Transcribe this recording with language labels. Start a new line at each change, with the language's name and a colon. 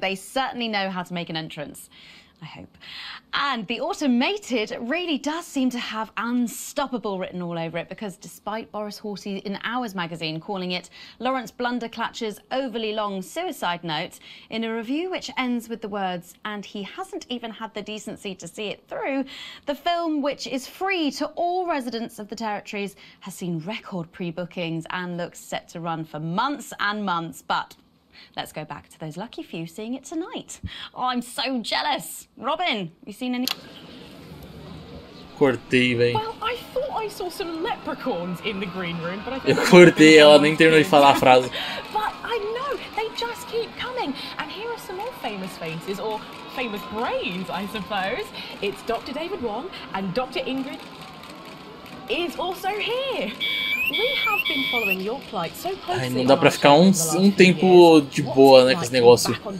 English: They certainly know how to make an entrance. I hope. And the automated really does seem to have unstoppable written all over it, because despite Boris Horsey in Hours magazine calling it Lawrence Blunderclatch's overly long suicide note, in a review which ends with the words, and he hasn't even had the decency to see it through, the film, which is free to all residents of the territories, has seen record pre-bookings and looks set to run for months and months. But let's go back to those lucky few seeing it tonight. Oh, I'm so jealous. Robin, you seen any?
Portuguese: Cortei, véi.
English: Well, I thought I saw some leprechauns in the green room, but I think...
Portuguese: Eu cortei, ela nem terminou de falar a frase.
English: But I know, they just keep coming. And here are some more famous faces, or famous brains, I suppose. It's Dr. David Wong, and Dr. Ingrid is also here. We have been following your plight so closely.
Portuguese: Não dá pra ficar um tempo de boa, né, com esse negócio.